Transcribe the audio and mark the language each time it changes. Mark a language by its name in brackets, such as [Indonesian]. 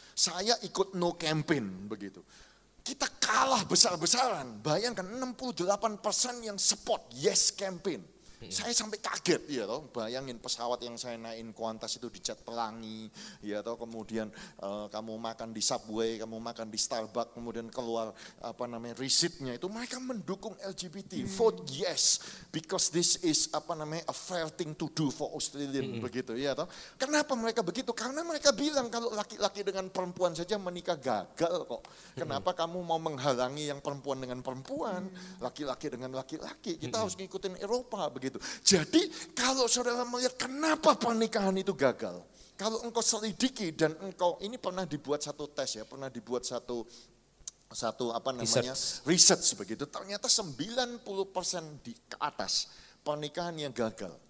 [Indonesian] Saya ikut [English] no campaign [Indonesian] begitu. Kita kalah besar-besaran, bayangkan 68% yang support [English] yes campaign. [Indonesian] Saya sampai kaget ya toh, bayangin pesawat yang saya naikin Qantas itu dicat pelangi ya toh, kemudian kamu makan di Subway, kamu makan di Starbucks, kemudian keluar apa namanya receipt-nya itu mereka mendukung LGBT. [English] Vote yes because this is [Indonesian] apa namanya [English] a fair thing to do for Australian [Indonesian] begitu ya toh. Kenapa mereka begitu? Karena mereka bilang kalau laki-laki dengan perempuan saja menikah gagal kok. Kenapa kamu mau menghalangi yang perempuan dengan perempuan, laki-laki dengan laki-laki? Kita harus ngikutin Eropa. Begitu. Jadi kalau saudara melihat kenapa pernikahan itu gagal, kalau engkau selidiki dan engkau ini pernah dibuat satu tes ya, pernah dibuat satu apa namanya research begitu, ternyata 90% di atas pernikahan yang gagal.